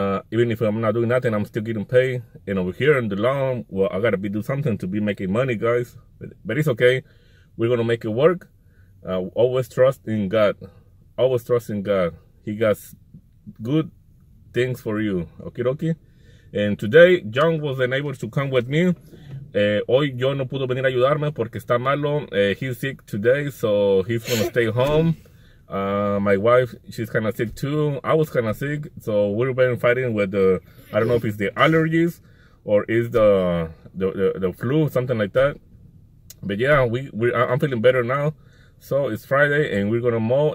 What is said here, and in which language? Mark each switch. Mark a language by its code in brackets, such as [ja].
[en] Even if I'm not doing nothing, I'm still getting paid. And over here in the lawn, well, I gotta do something to be making money, guys. But it's okay. We're gonna make it work. Always trust in God. Always trust in God. He got good things for you. Okie dokie. And today, John wasn't able to come with me. [es] Hoy yo no pudo venir a ayudarme porque está malo. [en] He's sick today, so he's gonna stay home. My wife, she's kind of sick too. I was kind of sick, so we've been fighting with the, I don't know if it's the allergies or is the flu, something like that. But yeah, I'm feeling better now. So it's Friday and we're gonna mow.